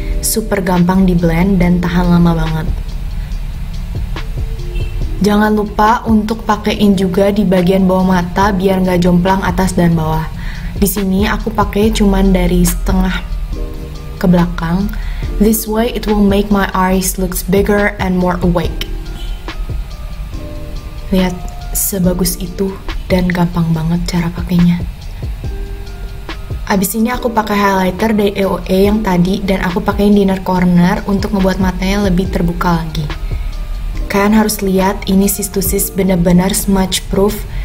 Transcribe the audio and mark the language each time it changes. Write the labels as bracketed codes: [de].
[id] Super gampang di blend dan tahan lama banget. Jangan lupa untuk pakein juga di bagian bawah mata biar nggak jomplang atas dan bawah. Di sini aku pakai cuman dari setengah ke belakang. [en] This way it will make my eyes looks bigger and more awake. [id] Lihat, sebagus itu dan gampang banget cara pakainya. Abis ini aku pakai highlighter dari AOA yang tadi dan aku pakaiin di inner corner untuk membuat matanya lebih terbuka lagi. Kalian harus lihat ini Sis to Sis benar-benar smudge proof.